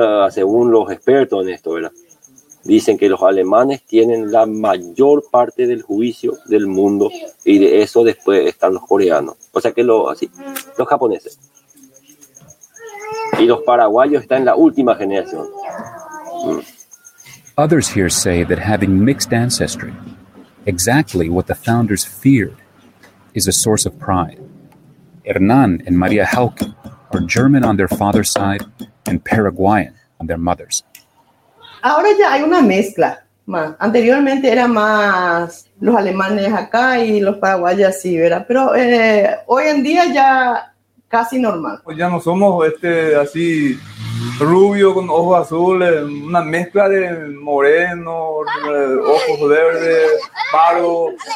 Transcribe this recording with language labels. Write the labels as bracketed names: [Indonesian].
[Spanish] Según los expertos en esto, ¿verdad? Dicen que los alemanes tienen la mayor parte del juicio del mundo y de eso después están los coreanos. O sea que los japoneses. Y los paraguayos están en la última generación. [English] Others here say that having mixed ancestry, exactly what the founders feared, is a source of pride. Hernán and María Hauke are German on their father's side and Paraguayan on their mother's. [Spanish] Ahora ya hay una mezcla. Anteriormente era más los alemanes acá y los paraguayos así, ¿verdad? Pero hoy en día ya casi normal. Pues ya no somos así rubio con ojos azules, una mezcla de moreno, ojos verdes, paro.